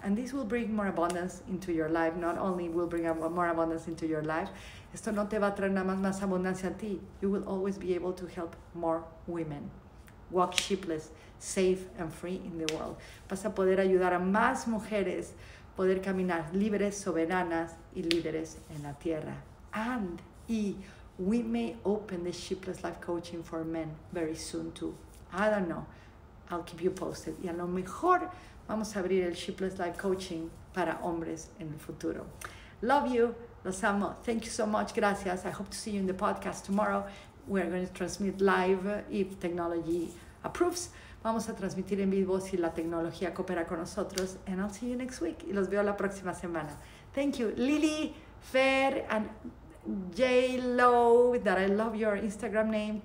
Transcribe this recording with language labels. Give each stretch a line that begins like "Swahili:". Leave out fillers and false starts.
English: And this will bring more abundance into your life. Not only will bring more abundance into your life,
Spanish: esto no te va a traer nada más más abundancia a ti.
English: You will always be able to help more women walk sheepless, safe and free in the world.
Spanish: Vas a poder ayudar a más mujeres poder caminar libres, soberanas y líderes en la tierra.
English: And we may open the Sheepless Life Coaching for men very soon too. I don't know. I'll keep you posted.
Spanish: Y a lo mejor vamos a abrir el Sheepless Life Coaching para hombres en el futuro.
English: Love you.
Spanish: Los amo.
English: Thank you so much.
Spanish: Gracias.
English: I hope to see you in the podcast tomorrow. We are going to transmit live if technology approves.
Spanish: Vamos a transmitir en vivo si la tecnología coopera con nosotros.
English: And I'll see you next week.
Spanish: Y los veo la próxima semana.
English: Thank you. Lily, Fer, and J-Lo, that I love your Instagram name.